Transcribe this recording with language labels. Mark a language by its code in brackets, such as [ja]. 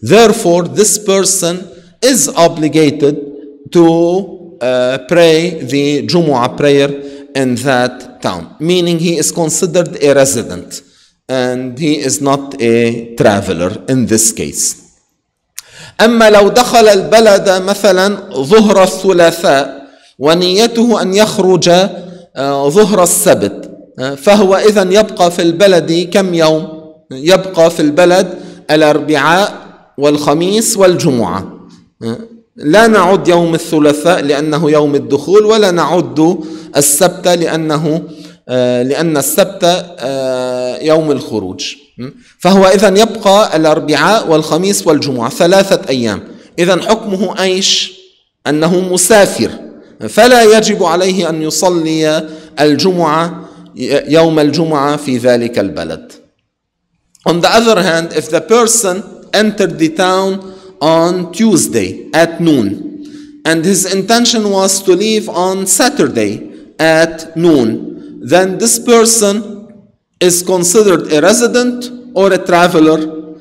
[en] Therefore, this person is obligated to pray the Jumu'ah prayer in that town, meaning he is considered a resident and he is not a traveler in this case. [ar] أما لو دخل البلد مثلا ظهر الثلاثاء ونيته أن يخرج ظهر السبت فهو إذن يبقى في البلد كم يوم؟ يبقى في البلد الأربعاء والخميس والجمعة. لا نعد يوم الثلاثاء لأنه يوم الدخول، ولا نعد السبت لأن السبت يوم الخروج، فهو إذن يبقى الأربعاء والخميس والجمعة 3 أيام. إذن حكمه أيش؟ أنه مسافر، فلا يجب عليه أن يصلي الجمعة يوم الجمعة في ذلك البلد. [en] On the other hand, if the person entered the town on Tuesday at noon and his intention was to leave on Saturday at noon, then this person is considered a resident or a traveler.